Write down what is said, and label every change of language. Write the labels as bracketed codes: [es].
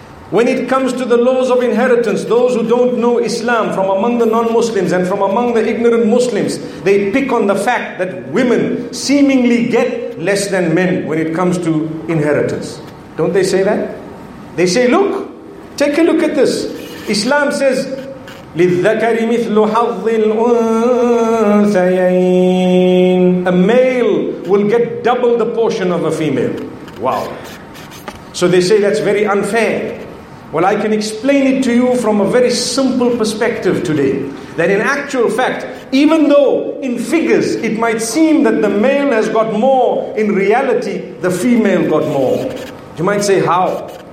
[en] When it comes to the laws of inheritance, those who don't know Islam from among the non-Muslims and from among the ignorant Muslims, they pick on the fact that women seemingly get less than men when it comes to inheritance. Don't they say that? They say, look, take a look at this. [ar] Islam says, لِلذَّكَرِ مِثْلُ حَظِّ الْأُنْثَيَيْنِ. [en] A male will get double the portion of a female. Wow. So they say that's very unfair. Well, I can explain it to you from a very simple perspective today. That in actual fact, even though in figures it might seem that the male has got more, in reality, the female got more. You might say, how?